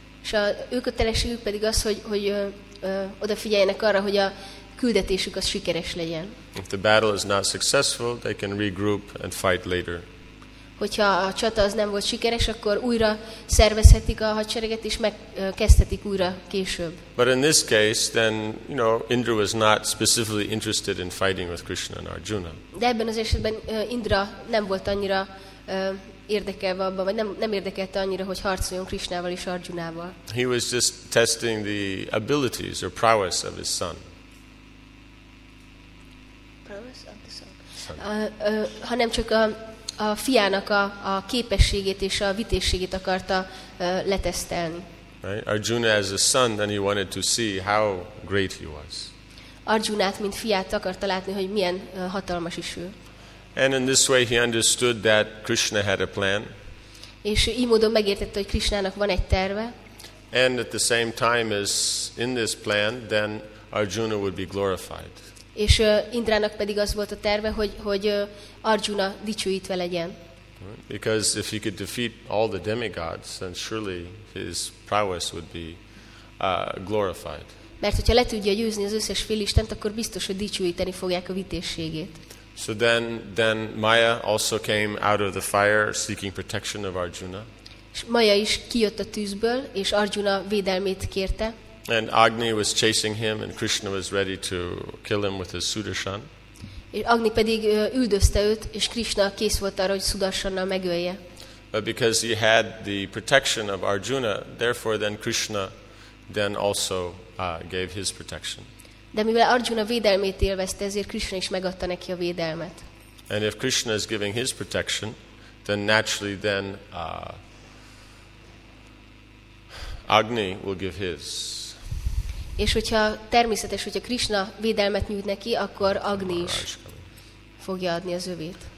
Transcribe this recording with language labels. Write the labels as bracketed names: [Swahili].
[Hungarian] És a ő kötelességük pedig az, hogy odafigyeljenek arra, hogy a küldetésük az sikeres legyen. [English] If the battle is not successful, they can regroup and fight later. [Hungarian] hogyha a csata az nem volt sikeres, akkor újra szervezhetik a hadsereget és megkezdhetik újra később. [English] But in this case, then, you know, Indra was not specifically interested in fighting with Krishna and Arjuna. [Hungarian] De ebben az esetben Indra nem volt annyira érdekelve abban, vagy nem érdekelte annyira, hogy harcoljon Krishnával és Arjunával. [English] He was just testing the abilities or prowess of his son. [Hungarian] Hanem csak a fiának a képességét és a vitességét akarta letesztelni. [English] Right? Arjuna as a son, then he wanted to see how great he was. [Hungarian] Arjunát mint fiát akarta látni, hogy milyen hatalmas is ő. [English] And in this way he understood that Krishna had a plan. [Hungarian] És így módon megértette, hogy Krishnának van egy terve. [English] And at the same time as in this plan, then Arjuna would be glorified. [Hungarian] És Indrának pedig az volt a terve, hogy Arjuna dicsőítve legyen. [English] Because if he could defeat all the demigods, then surely his prowess would be glorified. [Hungarian] Mert hogyha le tudja győzni az összes félistent, akkor biztos, hogy dicsőíteni fogják a vitézségét. [English] So then Maya also came out of the fire seeking protection of Arjuna. [Hungarian] És Maya is kijött a tűzből, és Arjuna védelmét kérte. [English] And Agni was chasing him, and Krishna was ready to kill him with his Sudarshan. [Hungarian] És Agni pedig üldözte őt, és Krishna kész volt arra, hogy Sudarshannal megölje. [English] But because he had the protection of Arjuna, therefore then Krishna then also gave his protection. [Hungarian] De mivel Arjuna védelmét élvezte, ezért Krishna is megadta neki a védelmet. [English] And if Krishna is giving his protection, then naturally then Agni will give his. [Hungarian] És hogyha természetes, hogyha Krishna védelmet nyújt neki, akkor Agni is fogja adni az övét.